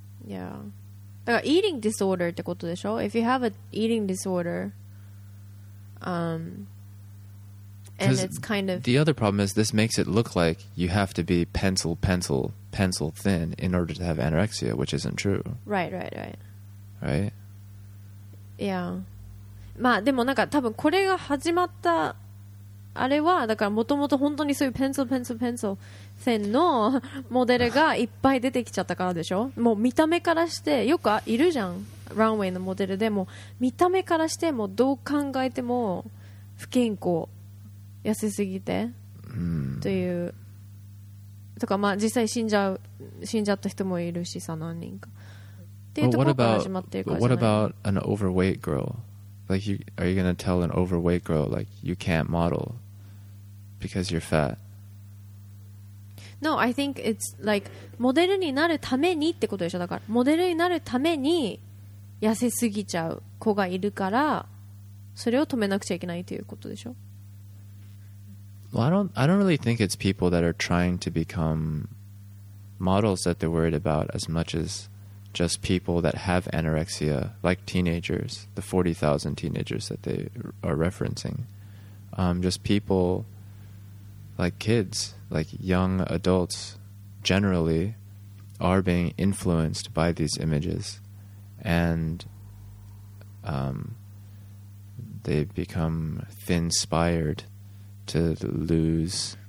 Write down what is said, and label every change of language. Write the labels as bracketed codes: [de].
[ja] Yeah, eating disorder ってことでしょ? [en] If you have an eating disorder, and it's kind of the other problem is this makes it look like you have to be pencil thin in order to have anorexia, which isn't true. Right. [ja] いや、まあでもなんか多分これが始まったあれはだから元々本当にそういうペンソル線のモデルがいっぱい出てきちゃったからでしょ。もう見た目からしてよくいるじゃん、ランウェイのモデルでも見た目からしてもうどう考えても不健康、痩せすぎてというとか、まあ実際死んじゃった人もいるしさ、何人か。 [en] But what about an overweight girl? Like, are you going to tell an overweight girl, like, you can't model because you're fat? No, I think it's like, [ja] モデルになるためにってことでしょ。だから、モデルになるために痩せすぎちゃう子がいるから、それを止めなくちゃいけないということでしょ。 [en] Well, I don't really think it's people that are trying to become models that they're worried about as much as... just people that have anorexia, like teenagers, the 40,000 teenagers that they are referencing. Just people like kids, like young adults generally are being influenced by these images and they become thin-spired to lose...